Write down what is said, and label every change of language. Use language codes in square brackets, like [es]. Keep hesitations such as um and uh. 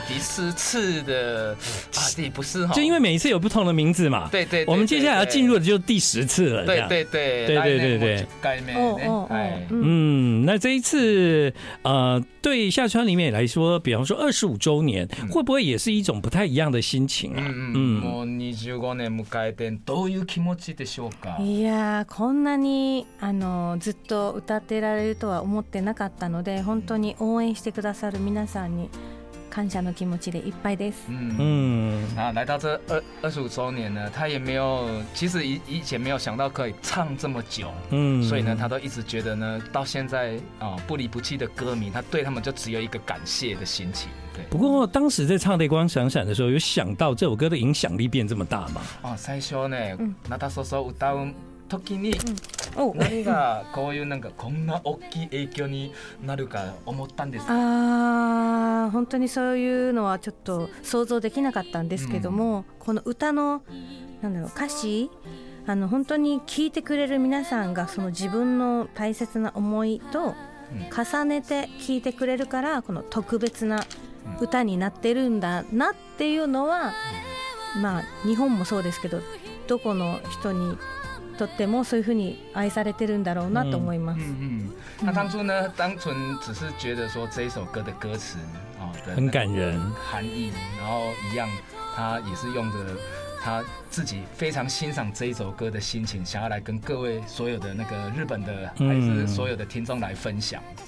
[zh] 第十次的，啊，不是，就因为每一次有不同的名字嘛。对对，我们接下来要进入的就是第十次了。对对对对对对对，改变哦哦哎，嗯，那这一次呃，对下川里面来说，比方说二十五周年，会不会也是一种不太一样的心情啊？嗯，二十五年不改变， [ja] どういう気持ちでしょうか？いや、こんなにあのずっと歌ってられるとは思ってなかったので、本当に応援してください。的皆さんに感謝の気持ちでいっぱいです。 [zh] 嗯，啊，来到这二二十五周年呢，他也没有，其实以以前没有想到可以唱这么久，嗯，所以呢，他都一直觉得呢，到现在啊、哦，不离不弃的歌迷，他对他们就只有一个感谢的心情。对。不过、哦、当时在唱《泪光闪闪》的时候，有想到这首歌的影响力变这么大吗？哦，最初呢， [ja] なたそそ歌うときに。何 がこういうなんかこんな大きい影響になるか思ったんですかあ本当にそういうのはちょっと想像できなかったんですけども、うん、この歌のなんだろう歌詞あの本当に聴いてくれる皆さんがその自分の大切な思いと重ねて聴いてくれるからこの特別な歌になってるんだなっていうのは、うんうん、まあ日本もそうですけどどこの人にとってもそういう風に愛されてるんだろうなと思います。 [zh] 嗯嗯，那、嗯嗯、当初呢，单纯只是觉得说这一首歌的歌词啊、哦，很感人，那个、含义，然后一样，他也是用着他自己非常欣赏这一首歌的心情，想要来跟各位所有的那个日本的还是所有的听众来分享。